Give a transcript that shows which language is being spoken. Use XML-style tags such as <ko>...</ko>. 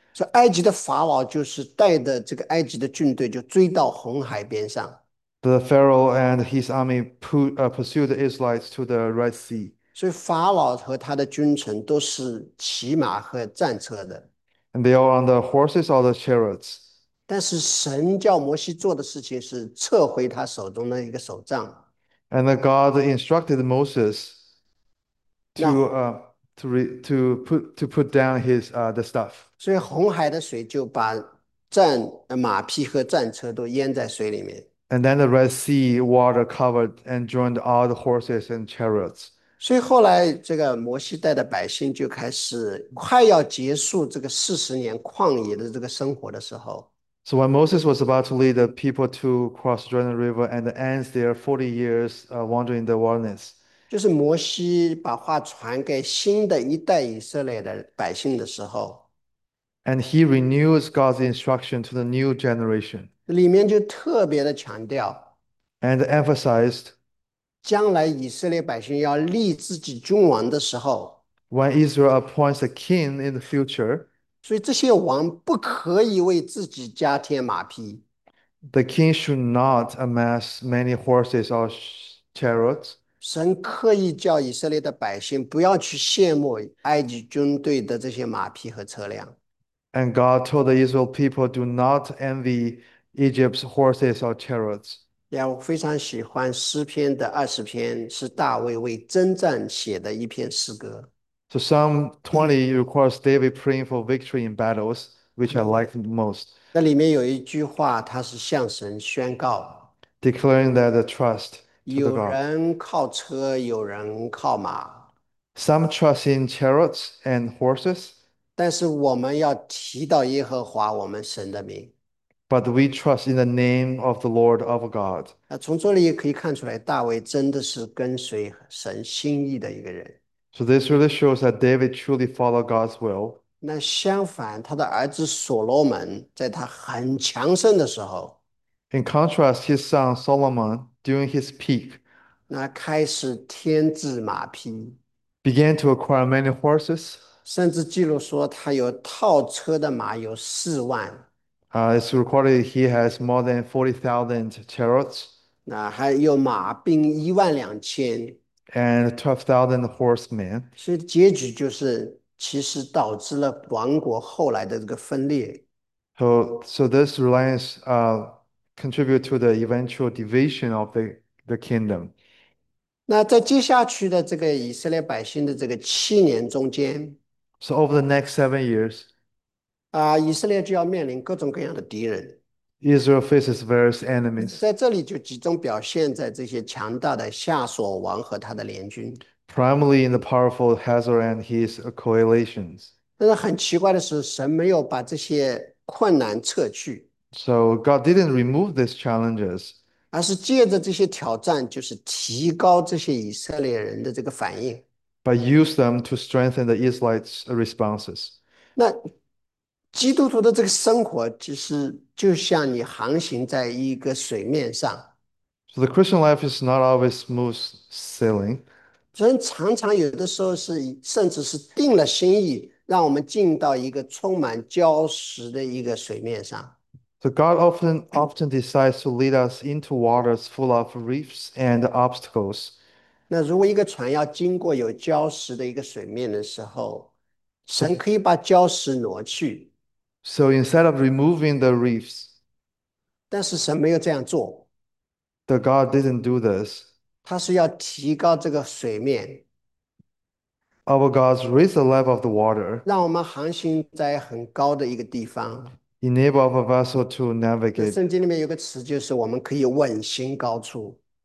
<zh>说埃及的法老就是带着这个埃及的军队就追到红海边上，</zh> <en>The Pharaoh and his army pursued the Israelites to the Red Sea.</en> <zh>所以法老和他的军臣都是骑马和战车的。</zh> <en>And they are on the horses or the chariots.</en> <zh>但是神叫摩西做的事情是撤回他手中的一个手杖。</zh> <en>And the God instructed Moses to put down his the stuff.</en> <zh>所以红海的水就把马匹和战车都淹在水里面。</zh> <en>And then the Red Sea water covered and joined all the horses and chariots.</en> <zh>所以后来这个摩西带的百姓就开始快要结束这个40年旷野的这个生活的时候。</zh> <en>So when Moses was about to lead the people to cross Jordan River and end their 40 years wandering the wilderness,</en> <zh>就是摩西把话传给新的一代以色列的百姓的时候，</zh> <en>and he renews God's instruction to the new generation.</en> <zh>里面就特别的强调，</zh> <en>And emphasized</en> <zh>将来以色列百姓要立自己君王的时候，</zh> <en>when Israel appoints a king in the future,</en> <zh>所以这些王不可以为自己加添马匹。</zh> <en>the king should not amass many horses or chariots.</en> <zh>神刻意叫以色列的百姓不要去羡慕埃及军队的这些马匹和车辆。</zh> <en>And God told the Israel people, do not envy Egypt's horses or chariots.</en> <zh>呀，我非常喜欢诗篇的20篇，是大卫为征战写的一篇诗歌。</zh> <en>So Psalm 20 requires David praying for victory in battles, which I like the most.</en> <zh>那里面有一句话，他是向神宣告。</zh> <en>Declaring that the trust to the</en> <zh>有</zh> <en>God.</en> <zh>人靠车，有人靠马，</zh> <en>Some trust in chariots and horses,</en> <zh>但是我们要提到耶和华，我们神的名。</zh> <en>but we trust in the name of the Lord of God.</en> <zh>那从这里也可以看出来，大卫真的是跟随神心意的一个人。</zh> <en>So this really shows that David truly followed God's will.</en> <zh>那相反，他的儿子所罗门，在他很强盛的时候。</zh> <en>In contrast, his son Solomon, during his peak,</en> <zh>那开始添置马匹，</zh> <en>began to acquire many horses.</en> <zh>甚至记录说他有套车的马有4万，</zh> <en>It's recorded he has more than 40,000 chariots.</en> <zh>那还有马兵12000，</zh> <en>And 12,000 horsemen.</en> <zh>所以结局就是其实导致了王国后来的这个分裂。</zh> <en>So this reliance contribute to the eventual division of the kingdom.</en> <zh>那在接下去的这个以色列百姓的这个7年中间，</zh> <en>So over the next 7 years,</en> <zh>以色列就要面临各种各样的敌人。</zh> <en>Israel faces various enemies.</en> <zh>在这里就集中表现在这些强大的夏所王和他的联军。</zh> <en>Primarily in the powerful Hazor and his coalitions.</en> <zh>但是很奇怪的是，神没有把这些困难撤去。</zh> <en>So God didn't remove these challenges.</en> <zh>而是借着这些挑战，就是提高这些以色列人的这个反应。</zh> <en>But used them to strengthen the Israelites' responses.</en> <zh>那基督徒的这个生活，就像你航行在一个水面上，</zh> <en>So the Christian life is not always smooth sailing.</en> <zh>人常常有的时候甚至是定了心意，让我们进到一个充满礁石的一个水面上。</zh> <en>So God often decides to lead us into waters full of reefs and obstacles.</en> <zh>那如果一个船要经过有礁石的一个水面的时候，</zh> <en>So</en> <zh>神可以把礁石挪去，</zh> <en>instead of removing the reefs,</en> <zh>但是神没有这样做，</zh> <en>the God didn't do this.</en> <zh>他是要提高这个水面，</zh> <en>Our God raised the level of the water,</en> <zh>让我们航行在很高的一个地方。</zh> <en>enable of a vessel to</en> <zh>那</zh> <en>navigate,</en> <zh>圣经里面有个词，就是我们可以稳行高处。</zh>